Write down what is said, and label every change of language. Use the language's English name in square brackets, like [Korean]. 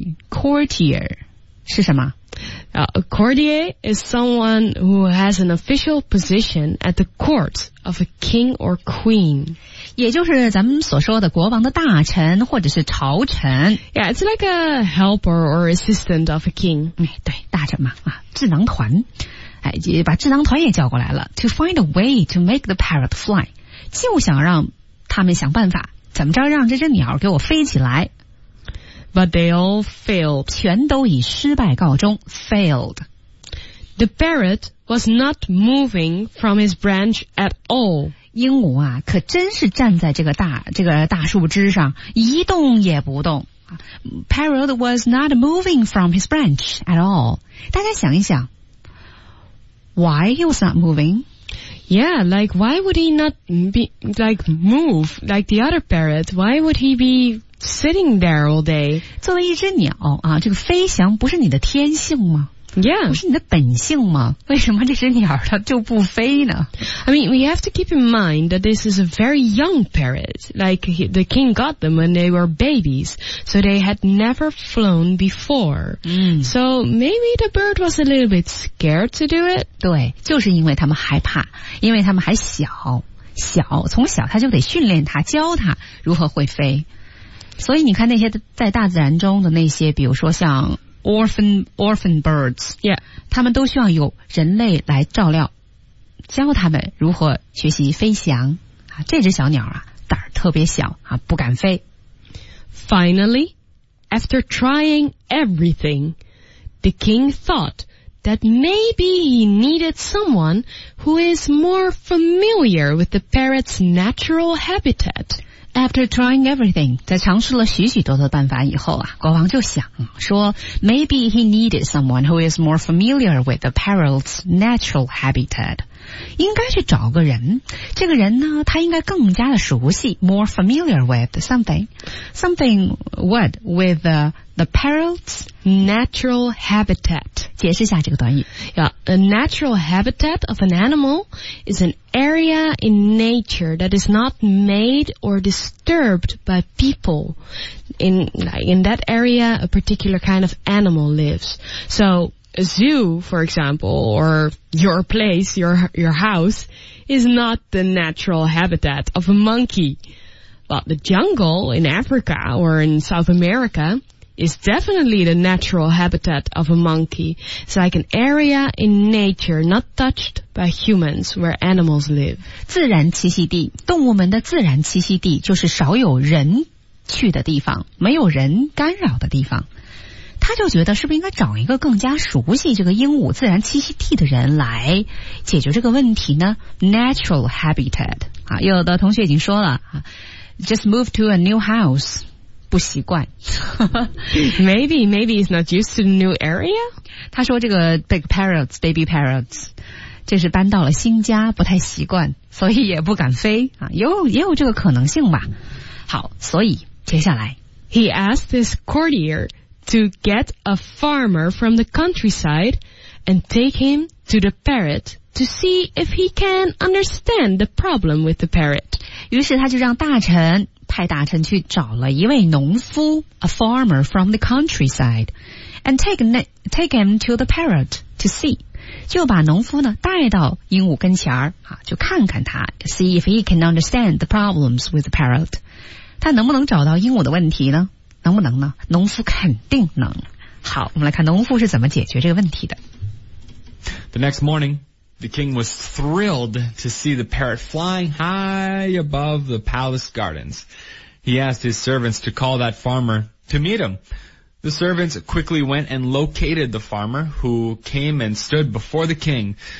[Chinese] Courtier 是什么？ [English] A courtier is someone who has an official position at the court of a king or queen. [Chinese] 也就是咱们所说的国王的大臣或者是朝臣。 [English] Yeah, it's like a helper or assistant of a king. [Chinese] 对，大臣嘛，智囊团。把智囊团也叫过来了。 [English] To find a way to make the parrot fly. [Chinese] 就想让他们想办法，怎么着让这只鸟给我飞起来。 [English] But they all failed. [Chinese] 全都以失败告终。Failed. [English] The parrot was not moving from his branch at all. [Chinese] 鹦鹉啊，可真是站在这个大树枝上，一动也不动。 [English] Parrot was not moving from his branch at all. [Chinese] 大家想一想 [English] ，Why he was not moving? Yeah, like why would he not be like move like the other parrot? Why would he be sitting there all day? [Chinese] 作为一只鸟啊，这个飞翔不是你的天性吗？ [English] Yeah, [Chinese] 不是你的本性吗？为什么这只鸟它就不飞呢？ [English] I mean, we have to keep in mind that this is a very young parrot. Like the king got them when they were babies, so they had never flown before. So maybe the bird was a little bit scared to do it. [Chinese] 对，就是因为他们害怕，因为他们还小，从小他就得训练他，教他如何会飞。所以你看那些在大自然中的那些，比如说像。 [English] Orphan birds. Yeah. [Chinese] 他们都需要有人类来照料，教他们如何学习飞翔。啊，这只小鸟啊，胆儿特别小啊，不敢飞。 [English] Finally, after trying everything, the king thought that maybe he needed someone who is more familiar with the parrot's natural habitat. After trying everything, [Chinese] 在尝试了许许多多办法以后啊，国王就想说 [English] ,maybe he needed someone who is more familiar with the parrot's natural habitat. [Chinese] 应该去找个人。这个人呢，他应该更加的熟悉 , [English] more familiar with something. Something what? With the parrot's natural habitat. [Chinese] 解释一下这个短语。 [English] A natural habitat of an animal is an area in nature that is not made or disturbed by people. In that area, a particular kind of animal lives. So, a zoo, for example, or your place, your house, is not the natural habitat of a monkey. But the jungle in Africa or in South America... is definitely the natural habitat of a monkey. It's like an area in nature not touched by humans where animals live. [Chinese] 自然栖息地，动物们的自然栖息地就是少有人去的地方，没有人干扰的地方。他就觉得是不是应该找一个更加熟悉这个鹦鹉自然栖息地的人来解决这个问题呢？ [English] Natural habitat. [Chinese] 啊，有的同学已经说了， [English] Just move to a new house. [Chinese] 不习惯 [English] maybe he's not used to the new area. [Chinese] 他说这个 [English] big parrots, baby parrots, [Chinese] 这是搬到了新家，不太习惯，所以也不敢飞啊。也有这个可能性吧。好，所以接下来 [English] ，He asked his courtier to get a farmer from the countryside and take him to the parrot to see if he can understand the problem with the parrot. [Chinese] 于是他就让大臣派大臣去找了一位农夫 [English] ，a farmer from the countryside, and take him to the parrot to see. [Chinese] 就把农夫呢带到鹦鹉跟前儿啊，就看看他 [English] ，see if he can understand the problems with the parrot。 [Chinese] 他能不能找到鹦鹉的问题呢？能不能呢？农夫肯定能。好，我们来看农夫是怎么解决这个问题的。 [English] The next morning, the king was thrilled to see the parrot flying high above the palace gardens. He asked his servants to call that farmer to meet him. The servants quickly went and located the farmer who came and stood before the king.